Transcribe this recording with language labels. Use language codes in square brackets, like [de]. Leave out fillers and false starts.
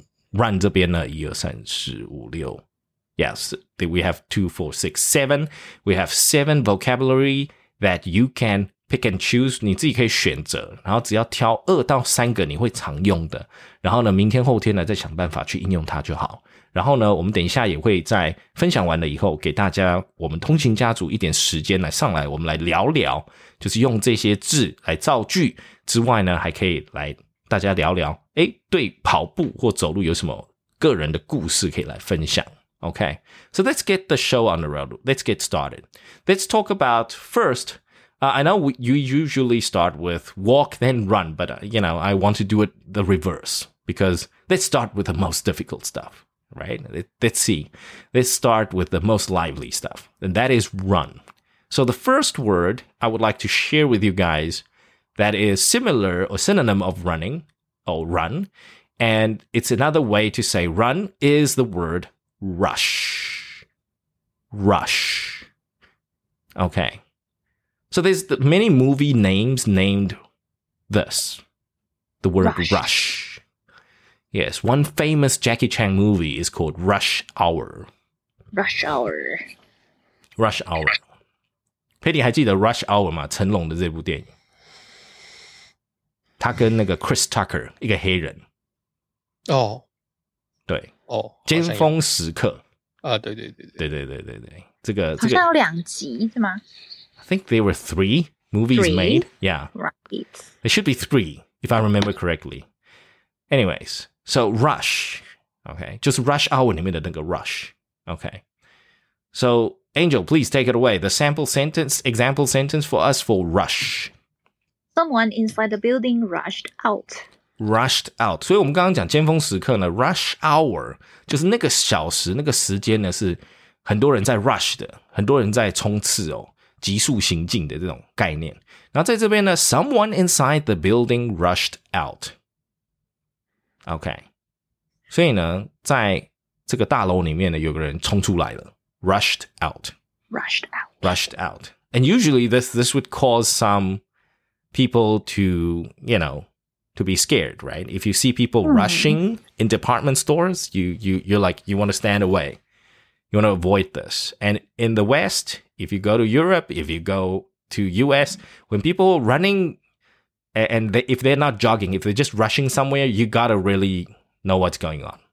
[zh] run这边呢, 1, 2, 3, 4, 5, 6, [en] yes, we have 2, 4, 6, 7, we have 7 vocabulary that you can pick and choose, [zh] 你自己可以选择, 然后只要挑2到3个 你会常用的, 然后呢, 明天后天呢, 再想办法去应用它就好, 然后呢, 我们等一下也会在分享完了以后, 给大家, 我们通勤家族一点时间来上来, 我们来聊聊, 就是用这些字来造句, 之外呢, 还可以来大家聊聊, 诶, 对跑步或走路有什么个人的故事可以来分享, okay? [en] So let's get the show on the road, let's get started. Let's talk about first, I know you usually start with walk, then run, but, you know, I want to do it the reverse, because let's start with the most difficult stuff, right? Let's see. Let's start with the most lively stuff, and that is run. So the first word I would like to share with you guys that is similar or synonym of running, or run, and it's another way to say run, is the word rush. Rush. Okay. So there's many movie names named this, the word rush. Yes, one famous Jackie Chan movie is called Rush Hour. Rush Hour. Rush Hour. [zh] Petty, 还记得 Rush Hour吗? 成龙的这部电影。他跟那个 Chris Tucker, 一个黑人。 Oh. 对。 Oh. 尖峰时刻。对对对对。好像有两集是吗? [en] I think there were three movies three? Made. Yeah. Right. There should be three, if I remember correctly. Anyways, so rush. Okay. Just rush hour [zh] 里面的那个 [en] rush. Okay. So, Angel, please take it away. The sample sentence, example sentence for us for rush. Someone inside the building rushed out. Rushed out. [zh] 所以我们刚刚讲尖峰时刻呢, rush hour就是那个小时,那个时间呢, 是很多人在rush的,很多人在冲刺哦。急速行进的这种概念。然后在这边呢, [en] someone inside the building rushed out. Okay. [zh] 所以呢, 在这个大楼里面呢, 有个人冲出来了, [en] rushed out. Rushed out. Rushed out. And usually this would cause some people to, you know, to be scared, right? If you see people rushing in department stores, you're like, you want to stand away. You want to avoid this. And in the West, if you go to Europe, if you go to US, when people are running, and they, if they're not jogging, if they're just rushing somewhere, you got to really know what's going on.